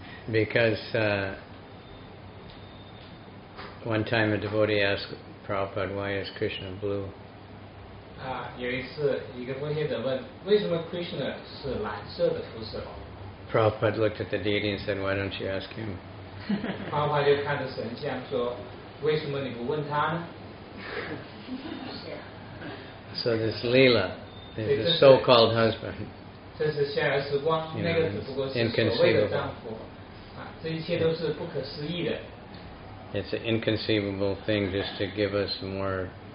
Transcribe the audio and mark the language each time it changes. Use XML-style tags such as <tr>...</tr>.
<en>Because one time a devotee asked Prabhupada, why is Krishna blue?</en> <zh>有一次，一个问题者问，为什么Krishna是蓝色的肤色？</zh> <en>Prabhupada looked at the deity and said, "Why don't you ask him?"</en> <zh>就看着神像说，为什么你不问他呢？</zh> <en>So this Leela, the so-called husband,</en> <zh>这是逍遥时光,</zh> <en>you know,</en> <zh>那个只不过是所谓的丈夫,</zh> <en>inconceivable.</en> <zh>这一切都是不可思议的.</zh> <en>It's an inconceivable thing just to give us more.</en>